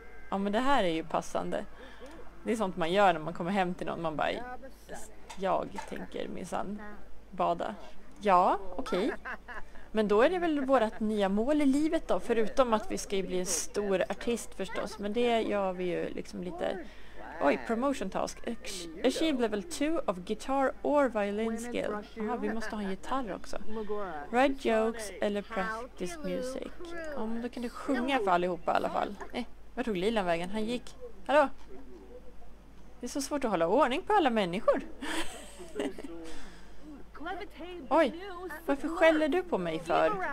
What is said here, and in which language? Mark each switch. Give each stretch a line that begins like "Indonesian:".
Swedish: Ja, men det här är ju passande. Det är sånt man gör när man kommer hem till någon. Man bara, jag tänker minsann bada. Ja, okej. Men då är det väl vårt nya mål i livet då, förutom att vi ska ju bli en stor artist förstås. Men det gör vi ju liksom lite... Oj,
English: promotion task. Achieve level 2 of guitar or violin skill.
Swedish: Jaha, vi måste ha en gitarr också.
English: Write jokes eller practice music.
Swedish: Ja, men då kan du sjunga för allihopa i alla fall. Var tog Lilan vägen? Han gick... Hallå? Det är så svårt att hålla ordning på alla människor. Oj, varför skäller du på mig för?